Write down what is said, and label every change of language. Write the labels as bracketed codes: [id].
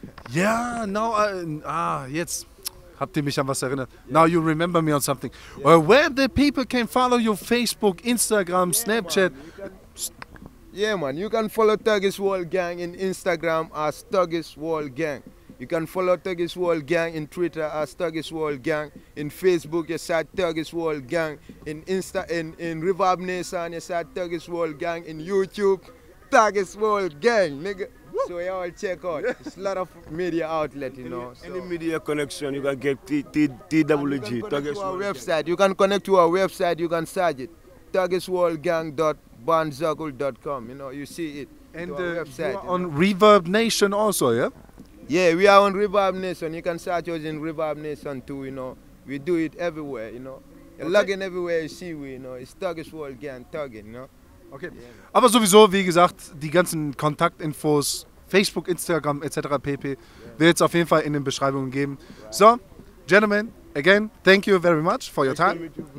[en] Yeah, now, [de] jetzt habt ihr mich an was erinnert. [en] Yeah. Now you remember me on something. Yeah. Well, where the people can follow you, Facebook, Instagram, yeah, Snapchat. You can follow Thuggish World Gang in Instagram as Thuggish World Gang. You can follow Thuggish World Gang in Twitter as Thuggish World Gang. In Facebook, you said Thuggish World Gang. In Insta, in Reverb Nation, you said Thuggish World Gang. In YouTube, Thuggish World Gang, nigga. Woo. So y'all check out. Yeah. It's a lot of media outlet, you know. Any media connection, you can get TWG, Thuggish World Gang. You can connect to our website, you can search it. ThuggishWorldGang.bandzoggle.com, you know, you see it. And on Reverb Nation also, yeah? Yeah, we are on Reverb Nation. You can search us in Reverb Nation too, you know. We do it everywhere, you know. You're okay. Logging everywhere you see, we, you know. It's Thuggish World Gang, Thuggin, you know. Okay. Yeah. [de] Aber sowieso, wie gesagt, die ganzen Kontaktinfos, Facebook, Instagram, etc. pp. Yeah. Wird es auf jeden Fall in den Beschreibungen geben. [en] Right. So, gentlemen, again, thank you very much for your time.